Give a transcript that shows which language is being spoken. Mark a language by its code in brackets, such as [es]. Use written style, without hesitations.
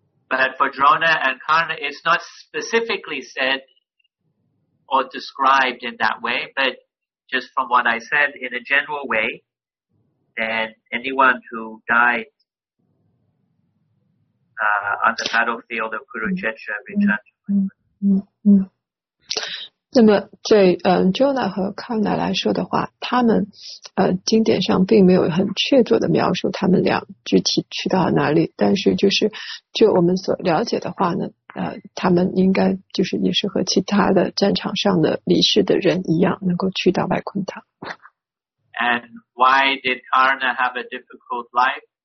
[en] But for Drona and Karna, it's not specifically said or described in that way, but. Just from what I said, in a general way, then anyone who died on the battlefield of Kurukshetra returned to Vaikuntha. [zh] 那么对Jona 和 Karna 来说的话，他们经典上并没有很确凿的描述他们俩具体去到哪里，但是就是就我们所了解的话呢，他们应该就是也是和其他的战场上的离世的人一样，能够去到外昆塔。 [en] And why did Karna have a difficult life?